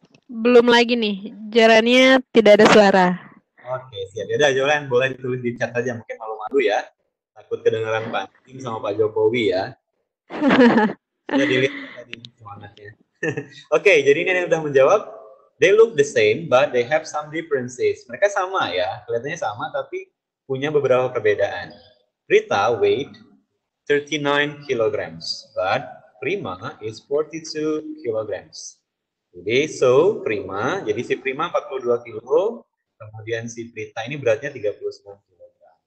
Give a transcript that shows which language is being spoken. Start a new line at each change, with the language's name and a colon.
Indonesian: Belum lagi nih, jarannya tidak ada suara. Oke, siap. Yaudah, Jolan, boleh ditulis di chat aja. Mungkin malu-malu ya. Takut kedengeran panting sama Pak Jokowi ya. Sudah dilihat tadi suaranya. Oke, jadi ini yang sudah menjawab.
English: They look the same, but they have some differences.
Indonesian: Mereka sama ya. Kelihatannya sama, tapi punya beberapa perbedaan.
English: Rita weighed 39 kilograms, but Prima is 42 kilograms.
Indonesian: Jadi, so Prima, jadi si Prima 42 kilo, kemudian si Prita ini beratnya 39 kilogram.